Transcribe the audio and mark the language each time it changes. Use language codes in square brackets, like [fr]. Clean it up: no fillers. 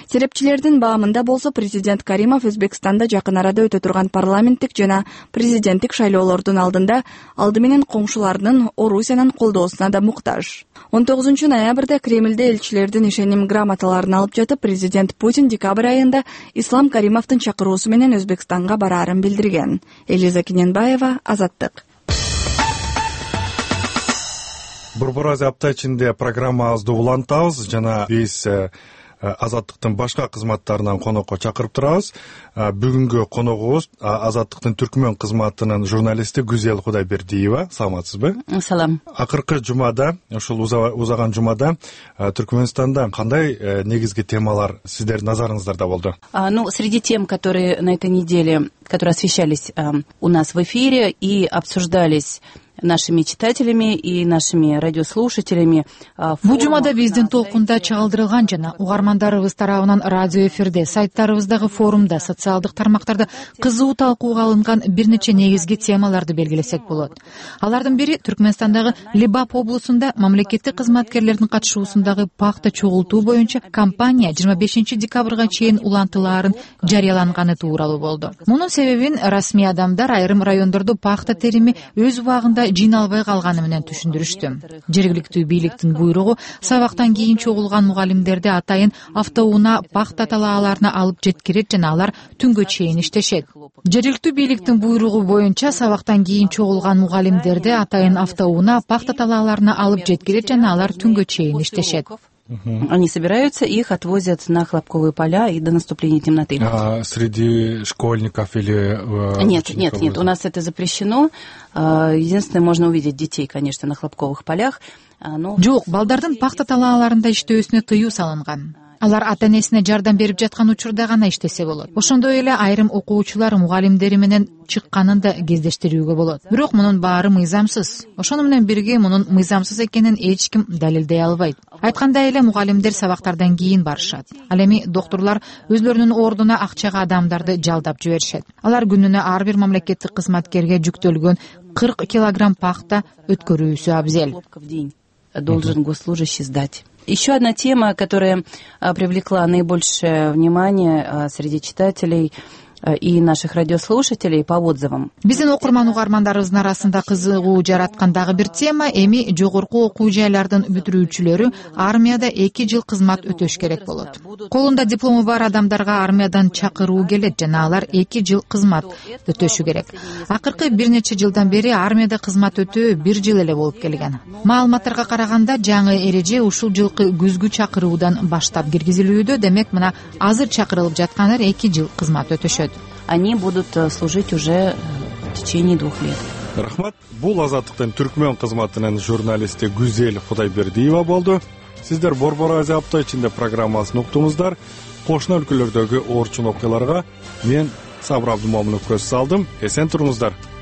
[ky] Серепчилердин баамында болсо, президент Каримов Өзбекстанда жакын арада өтө турган парламенттик жана президенттик шайлоолордун алдында алды менен коңшуларынын Орусиянын колдоосуна да муктаж. 19 ноябрда Кремлде элчилердин ишеним грамоталарын алып жатып, президент Путин декабрь айында Ислам Каримовдун чакыруусу менен Өзбекстанга барарын билдирген. Элиза Кененбаева, Азаттык. Борбор азыр апта ичинде программабызды улантабыз жана биз Азаттыктын башка кызматтарынан конокко чакырып турабыз. Бүгүнкү коногубуз Азаттыктын түркмөн кызматынын журналисти Гүзел Кудайбердиева. Саламатсызбы? Салам. Акыркы жумада, ушул узаган жумада Түркмөнстанда кандай негизги темалар сиздердин назарыңыздарда болду? [ru] Среди тем, которые на этой неделе, которые освещались у нас в эфире и обсуждались нашими читателями и нашими радиослушателями. [ky] Бул жумада биздин толкунда чагылдырылган жана угармандарыбыз тарабынан радио эфирде, сайттарыбыздагы форумда, социалдык тармактарда кызуу талкууга алынган бир нече негизги темаларды белгилесек болот. Алардын бири Түркмөнстандагы Либап облусунда мамлекеттик кызматкерлердин катышуусундагы пахта чогултуу боюнча кампания 25 декабрга чейин улантыларын жарыяланганы тууралуу болду. Мунун себебин расмий адамдар айрым райондордо пахта терими өз убагында жыйналбай калганы менен түшүндүрүштү. Жергиликтүү бийликтин буйругу сабактан кийин чогулган мугалимдерди атайын автоуна пахта талааларына алып жеткирет жана алар түнгө чейин иштешет. Жергиликтүү бийликтин буйругу боюнча сабактан кийин чогулган мугалимдерди атайын автоуна пахта талааларына алып жеткирет жана алар түнгө чейин иштешет. [ru] Они собираются, их отвозят на хлопковые поля и до наступления темноты. А среди школьников или... Нет, у нас это запрещено. Единственное, можно увидеть детей, конечно, на хлопковых полях. [ky] Жок, балдардын пахта талааларында иштөөсүнө тыюу салынган. Алар ата-энесине жардам берип жаткан учурда гана иштесе болот. Ошондой эле айрым окуучулар мугалимдери менен чыкканын да кездештирүүгө болот. Бирок мунун баары мыйзамсыз. Ошону менен бирге мунун мыйзамсыз экенин эч ким далилдей албайт. Айткандай эле мугалимдер сабактардан кийин барышат. Ал эми доктурлар өзлөрүнүн ордуна акчага адамдарды жалдап жиберишет. Алар күнүнө ар бир мамлекеттик кызматкерге жүктөлгөн 40 килограмм пахта өткөрүүсү абзел. [ru] Должен госслужащий сдать. Еще одна тема, которая привлекла наибольшее внимание среди читателей и наших радиослушателей по отзывам. [ky] Биздин окурман угармандарыбыздын арасында кызыгуу жараткан дагы бир тема эми жогорку окуу жайлардын бүтүрүүчүлөрү армияда 2 жыл кызмат өтөш керек болот. Колунда диплому бар адамдарга армиядан чакыруу келет жана алар 2 жыл кызмат өтөшү керек. Акыркы бир нече жылдан бери армияда кызмат өтөө 1 жыл эле болуп келген. Маалыматтарга караганда жаңы эреже ушул жылкы күзгү чакыруудан баштап киргизилүүдө, демек мына азыр чакырылып жаткандар 2 жыл кызмат өтөшөт. [ru] Они будут служить уже в течение 2 лет. [ky] Рахмат, бул азаттыктын түркмөн кызматынын журналисти Гүзел Кудайбердиева болду. Сиздер Борбор Азия апта ичинде программасын уктуңуздар. Кошуна өлкөлөрдөгү оорчун окуяларга мен Сабыр Абдымомунов көз салдым. Эсен туруңуздар.